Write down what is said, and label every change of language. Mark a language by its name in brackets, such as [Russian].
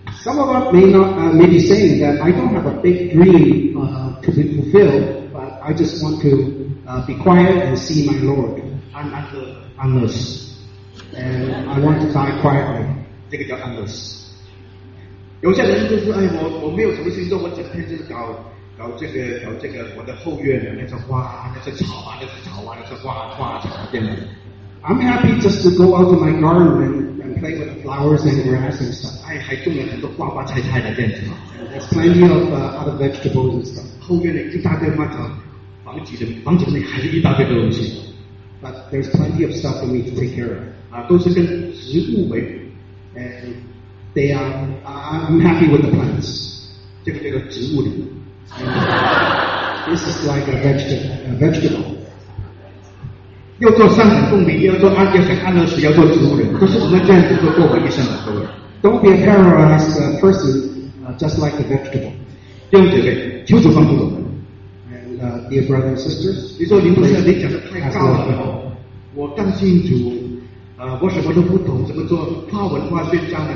[English] Some of us may not may be saying that I don't have a big dream to be fulfilled, but I just want to be quiet and see my Lord. I'm unless, and I want to die quietly. [Chinese] 这个叫 unless. 有些人就是哎，我没有什么心动，我整天就是搞这个我的后院的那些花啊，那些草啊，那些草啊，那些花花草这样的。 [English] I'm happy just to go out to my garden and play with the flowers and grass and stuff. [Chinese] 哎，还种了很多花花菜菜的这样子嘛。 [English] There's plenty of other vegetables and stuff. [Chinese] 后院里一大堆花草，房子里还是一大堆的东西。 [English] But there's plenty of stuff for me to take care of. [Chinese] 啊，都是跟植物为伍。 [English] And they are, I'm happy with the plants. [Chinese] 这个植物里面。 [English] This is like a vegetable. [Chinese] 要做三等公民，要做安，要想安乐死，要做植物人。可是我们这样子就过完一生了，各位。 [English] Don't be a paralyzed person, just like a vegetable. [Chinese] 弟兄姐妹，求主帮助我 [English] 们。And dear brothers and sisters, [Chinese] 你说你不是你讲的太高了，我刚信主，我什么都不懂，怎么做跨文化宣教呢？